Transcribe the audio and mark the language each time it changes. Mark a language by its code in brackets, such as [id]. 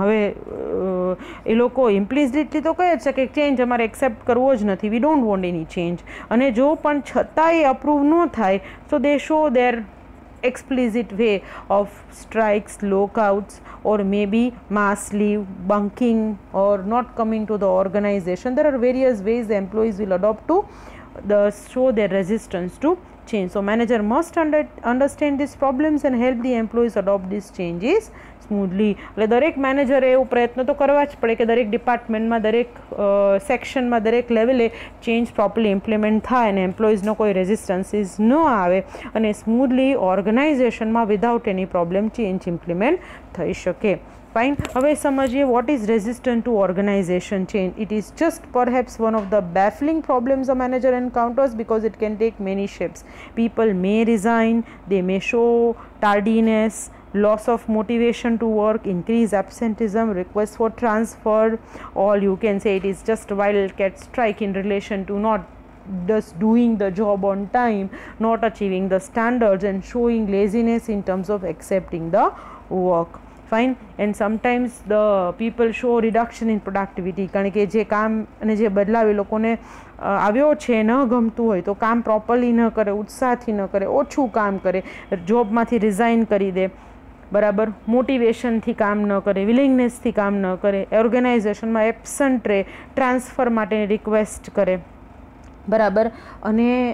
[gu] હવે એ લોકો ઇમ્પ્લિઝિટલી તો કહે છે કે ચેન્જ અમારે એક્સેપ્ટ કરવો જ નથી, [en] we don't want any change, [gu] અને જો પણ છતાં એ અપ્રૂવ ન થાય તો [en] They show their explicit way of strikes, lockouts, or maybe mass leave, bunking, or not coming to the organization. There are various ways the employees will adopt to the show their resistance to change. So manager must understand these problems and help the employees adopt these changes [gu] સ્મૂધલી. એટલે દરેક મેનેજરે એવો પ્રયત્ન તો કરવા જ પડે કે દરેક ડિપાર્ટમેન્ટમાં, દરેક સેક્શનમાં, દરેક લેવલે ચેન્જ પ્રોપરલી ઇમ્પ્લિમેન્ટ થાય અને એમ્પ્લોઈઝનો કોઈ રેઝિસ્ટન્સીસ ન આવે અને સ્મૂધલી ઓર્ગેનાઇઝેશનમાં વિધાઉટ એની પ્રોબ્લેમ ચેન્જ ઇમ્પ્લિમેન્ટ થઈ શકે. ફાઇન, હવે સમજીએ [en] What is resistant to organization change. It is just perhaps one of the baffling problems a manager encounters because it can take many shapes. People may resign, they may show tardiness, loss of motivation to work, increased absenteeism, request for transfer, all you can say it is just wildcat strike in relation to not just doing the job on time, not achieving the standards and showing laziness in terms of accepting the work. Fine, and sometimes the people show reduction in productivity [gu] કારણ કે જે કામ અને જે બદલાવ એ લોકોને આવ્યો છે ન ગમતું હોય તો કામ પ્રોપરલી ન કરે, ઉત્સાહથી ન કરે, ઓછું કામ કરે, જોબમાંથી રિઝાઇન કરી દે, બરાબર, મોટિવેશનથી કામ ન કરે, વિલિંગનેસથી કામ ન કરે, ઓર્ગેનાઇઝેશનમાં એબસન્ટ રહે, ટ્રાન્સફર માટે રિક્વેસ્ટ કરે, બરાબર, અને